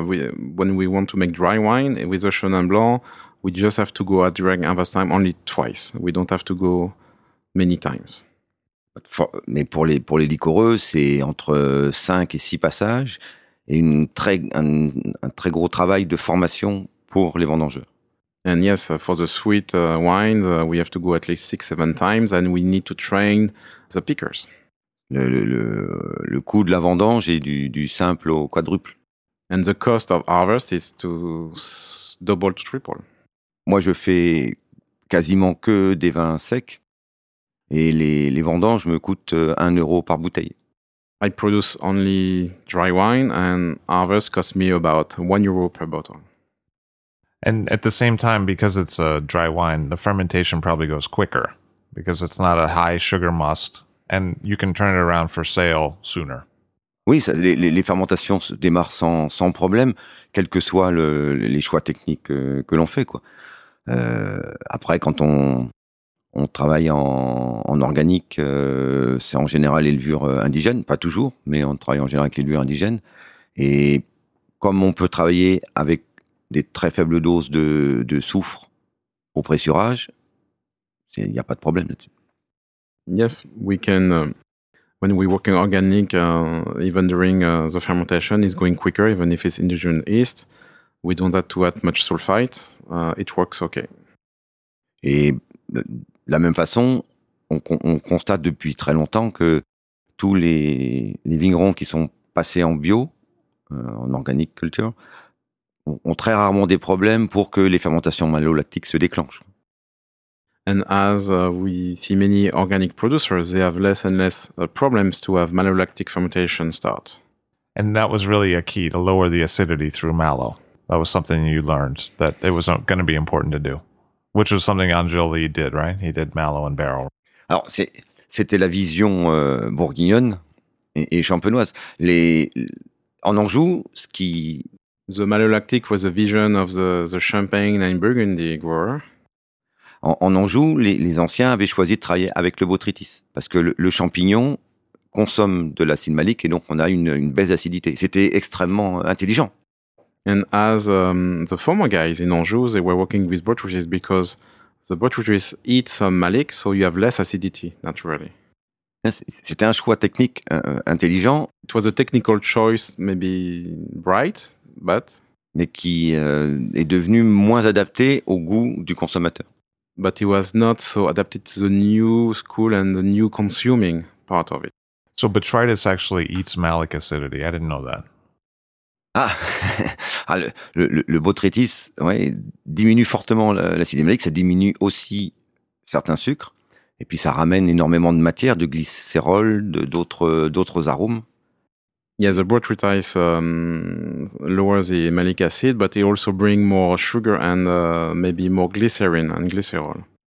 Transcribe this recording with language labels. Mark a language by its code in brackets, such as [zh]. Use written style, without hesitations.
[en] When we want to make dry wine with a Chenin Blanc, we just have to go at direct harvest time only twice. We don't have to go many times. [fr] Mais pour les liquoreux, c'est entre 5 et 6 passages et un très gros travail de formation pour les vendangeurs. [en] And yes, for the sweet wines, we have to go at least 6-7 times and we need to train the pickers. [fr] Le coût de la vendange est du simple au quadruple. [en] And the cost of harvest is to double to triple. [fr] Moi, je fais quasiment que des vins secs et les vendanges me coûtent 1 euro par bouteille. [en] I produce only dry wine and harvest costs me about 1 euro per bottle. And at the same time, because it's a dry wine, the fermentation probably goes quicker because it's not a high sugar must and you can turn it around for sale sooner. [fr] Oui, ça, les fermentations se démarrent sans problème, quels que soient les choix techniques que l'on fait, quoi. Après, quand on travaille en organique, c'est en général l'élevure indigène, pas toujours, mais on travaille en général avec l'élevure indigène. Et comme on peut travailler avec des très faibles doses de soufre au pressurage, il n'y a pas de problème là-dessus. [en] Yes, we can. When we work in organic, even during the fermentation, it's going quicker, even if it's indigenous yeast. We don't have to add much sulfite. It works okay. [fr] Et de la même façon, on constate depuis très longtemps que tous les vignerons qui sont passés en bio, en [en] organic culture, [fr] ont très rarement des problèmes pour que les fermentations malolactiques se déclenchent. [en] And as we see many organic producers, they have less and less problems to have malolactic fermentation start. And that was really a key to lower the acidity through malo. That was something you learned that it was going to be important to do, which was something Angel Lee did, right? He did malo and barrel. [fr] Alors, c'était la vision bourguignonne et champenoise. En Anjou, ce qui... [en] The malolactic was a vision of the Champagne and Burgundy grower. [fr] En Anjou, les anciens avaient choisi de travailler avec le botrytis, parce que le champignon consomme de l'acide malique et donc on a une baisse d'acidité. C'était extrêmement intelligent. [en] And as the former guys in Anjou, they were working with botrytis because the botrytis eats some malic, so you have less acidity, naturally. [fr] C'était un choix technique intelligent. [en] It was a technical choice, maybe bright, but... [fr] Mais qui est devenu moins adapté au goût du consommateur. [en] But it was not so adapted to the new school and the new consuming part of it. So botrytis actually eats malic acidity. I didn't know that. [fr] Ah, le botrytis, ouais, diminue fortement l'acide malique. Ça diminue aussi certains sucres. Et puis ça ramène énormément de matière, de glycérol, d'autres arômes. [en] Yeah, the botrytis lowers the malic acid, but it also brings more sugar and maybe more glycerin and glycerol.